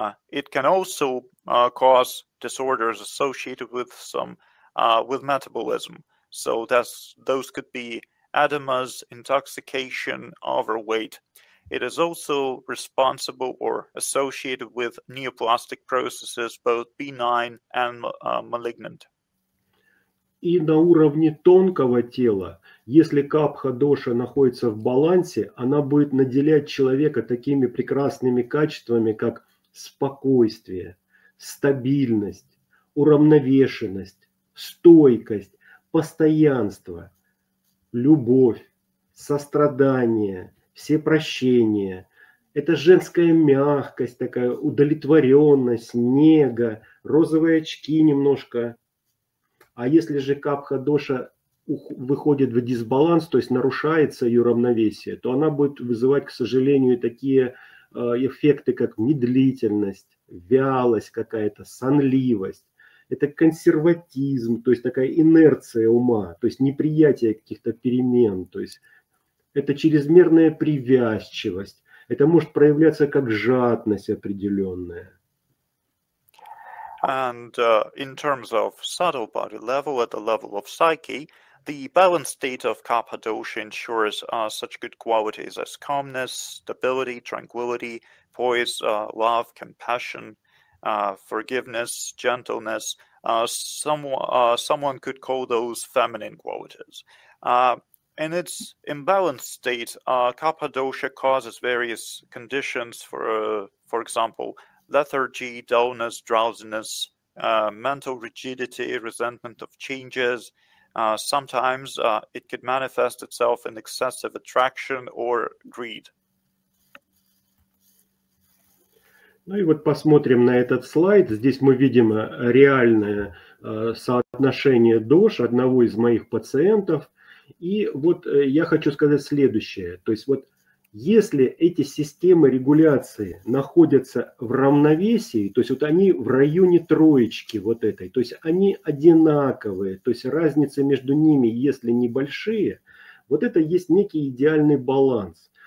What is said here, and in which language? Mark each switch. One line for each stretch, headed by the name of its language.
English: It can also cause disorders associated with some with metabolism. So those could be edemas, intoxication, overweight. It is also responsible or associated with neoplastic processes, both benign and malignant.
Russian: И на уровне тонкого тела, если капха-доша находится в балансе, она будет наделять человека такими прекрасными качествами, как спокойствие, стабильность, уравновешенность, стойкость, постоянство, любовь, сострадание, всепрощение. Это женская мягкость, такая удовлетворенность, нега, розовые очки немножко. А если же капха-доша выходит в дисбаланс, то есть нарушается ее равновесие, то она будет вызывать, к сожалению, такие эффекты, как медлительность, вялость какая-то, сонливость. Это консерватизм, то есть такая инерция ума, то есть неприятие каких-то перемен, то есть это чрезмерная привязчивость. Это может проявляться как жадность определенная.
English: And in terms of subtle body level, at the level of psyche, the balanced state of Cappadocia ensures such good qualities as calmness, stability, tranquility, poise, love, compassion, forgiveness, gentleness. Someone could call those feminine qualities. In its imbalanced state, Cappadocia causes various conditions, for example, lethargy, dullness, drowsiness, mental rigidity, resentment of changes. Sometimes it could manifest itself in excessive attraction or greed.
Russian: Ну и вот посмотрим на этот слайд. Здесь мы видим реальное соотношение ДОШ одного из моих пациентов. И вот я хочу сказать следующее. То есть вот если эти системы регуляции находятся в равновесии, то есть вот они в районе троечки вот этой, то есть они одинаковые, то есть разницы между ними, если небольшие, вот это есть некий идеальный баланс.